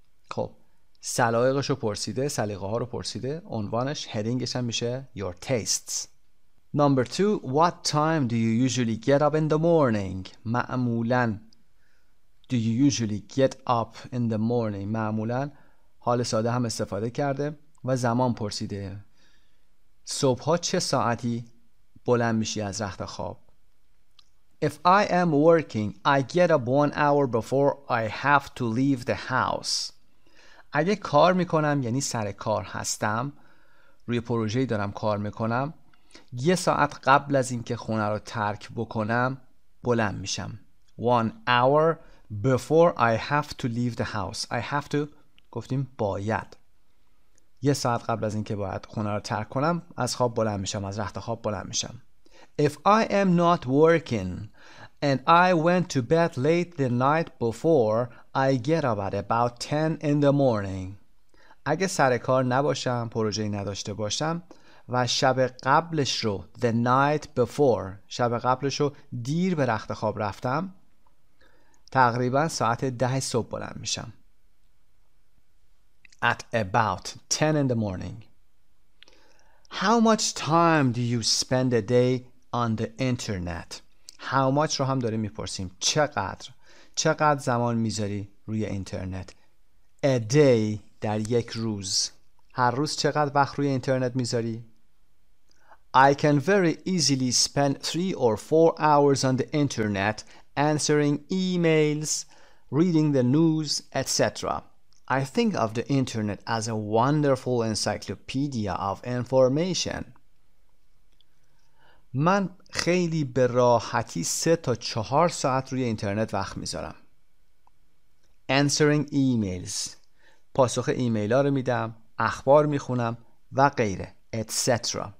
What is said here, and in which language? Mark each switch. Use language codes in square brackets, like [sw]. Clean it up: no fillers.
[fa] خب سلایقش رو پرسیده، سلیقه ها رو پرسیده، عنوانش هدینگش هم میشه Your Tastes. [en] Number 2, what time do you usually get up in the morning? [fa] معمولاً [en] do you usually get up in the morning؟ [fa] معمولاً حال ساده هم استفاده کرده و زمان پرسیده. صبح‌ها چه ساعتی بلند میشی از رخت خواب؟ [en] If I am working, I get up 1 hour before I have to leave the house. [fa] اگه کار میکنم یعنی سر کار هستم، روی پروژه‌ای دارم کار میکنم، یه ساعت قبل از این که خونه رو ترک بکنم بلند میشم. [en] 1 hour before I have to leave the house. I have to [fa] گفتیم باید. یه ساعت قبل از این که باید خونه رو ترک کنم از خواب بلند میشم، از رخت خواب بلند میشم. [en] If I am not working and I went to bed late the night before, I get up at about 10 in the morning. [fa] اگه سر کار نباشم، پروژه‌ای نداشته باشم و شب قبلش رو [en] the night before [fa] شب قبلش رو دیر به رخت خواب رفتم، تقریبا ساعت 10 صبح بلند میشم. [en] At about 10 in the morning. How much time do you spend a day on the internet? How much [fa] رو هم داریم میپرسیم. چقدر زمان میذاری روی اینترنت؟ [en] A day [fa] در یک روز. هر روز چقدر وقت روی اینترنت میذاری؟ [en] I can very easily spend 3 or 4 hours on the internet answering emails, reading the news, etc. I think of the internet as a wonderful encyclopedia of information. [fa] من خیلی به راحتی 3 تا 4 ساعت روی اینترنت وقت میذارم. [en] Answering emails. [fa] پاسخ ایمیل ها رو میدم، اخبار میخونم و غیره. [en] Etc.